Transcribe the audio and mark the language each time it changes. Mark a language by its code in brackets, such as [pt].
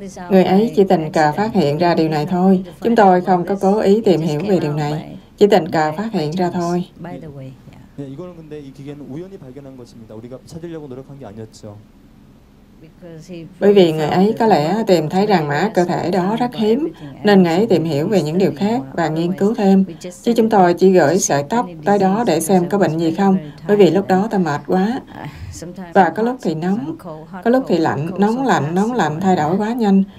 [vi] Người ấy chỉ tình cờ phát hiện ra điều này thôi. Chúng tôi không có cố ý tìm hiểu về điều này. Chỉ tình cờ phát hiện ra thôi. [ko] Yeah, 이거는 근데 이 기계는 우연히 발견한 것입니다. 우리가 찾으려고 노력한 게 아니었죠. [vi] Bởi vì Ngài ấy có lẽ tìm thấy rằng mã cơ thể đó rất hiếm, nên Ngài ấy tìm hiểu về những điều khác và nghiên cứu thêm. Chứ chúng tôi chỉ gửi sợi tóc tới đó để xem có bệnh gì không, bởi vì lúc đó ta mệt quá. Và có lúc thì nóng, có lúc thì lạnh, nóng lạnh, nóng lạnh, thay đổi quá nhanh.